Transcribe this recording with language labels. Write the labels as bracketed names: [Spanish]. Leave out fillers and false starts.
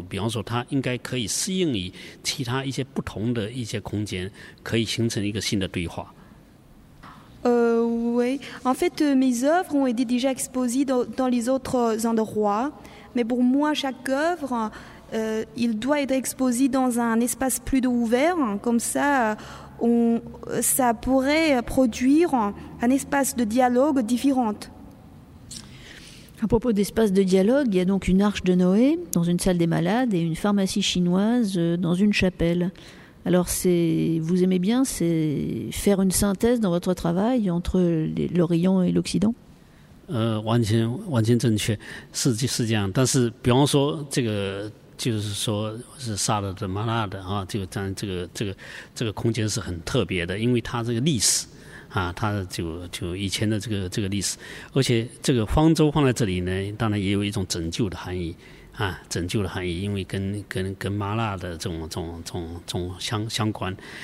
[Chinese] 比方说，它应该可以适应于其他一些不同的一些空间，可以形成一个新的对话。 [French] Oui. En fait, mes œuvres ont été déjà exposées dans les autres endroits, mais pour moi, chaque œuvre. Il doit être exposé dans un espace plus ouvert, comme ça, ça pourrait produire un espace de dialogue différent. À propos d'espace de dialogue, il y a donc une arche de Noé dans une salle des malades et une pharmacie chinoise dans une chapelle. Alors, vous aimez bien c'est faire une synthèse dans votre travail entre l'Orient et l'Occident ? [Chinese] 完全正确，是这样。但是比方说这个就是说是萨德的玛纳的啊，这个当然这个空间是很特别的，因为它这个历史啊，它就以前的这个历史，而且这个方舟放在这里呢，当然也有一种拯救的含义啊，拯救的含义，因为跟玛纳的这种相关，